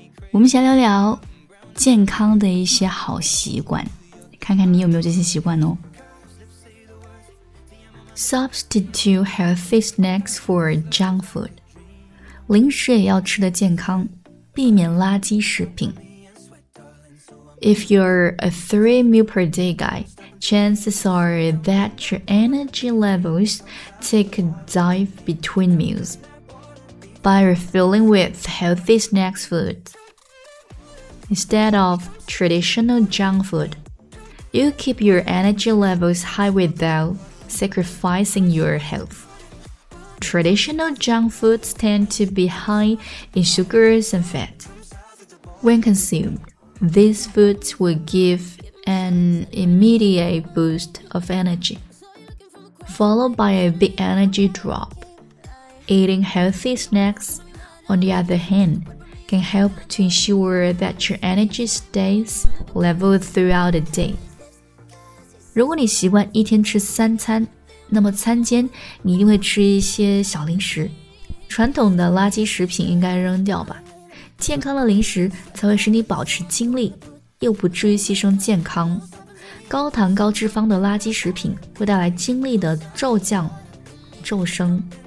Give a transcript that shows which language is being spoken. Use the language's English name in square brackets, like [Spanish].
[Chinese] 我们先聊聊健康的一些好习惯，看看你有没有这些习惯哦。 [English] Substitute healthy snacks for junk food. 零食也要吃得健康，避免垃圾食品。 If you're a 3 meal per day guy, chances are that your energy levels take a dive between meals. By refilling with healthy snacks food, instead of traditional junk food, you keep your energy levels high without sacrificing your health. Traditional junk foods tend to be high in sugars and fat. When consumed,These foods will give an immediate boost of energy, followed by a big energy drop. Eating healthy snacks, on the other hand, can help to ensure that your energy stays leveled throughout the day. [Chinese] 如果你习惯一天吃三餐，那么餐间你一定会吃一些小零食。传统的垃圾食品应该扔掉吧。健康的零食才会使你保持精力，又不至于牺牲健康。高糖高脂肪的垃圾食品会带来精力的骤降、骤升。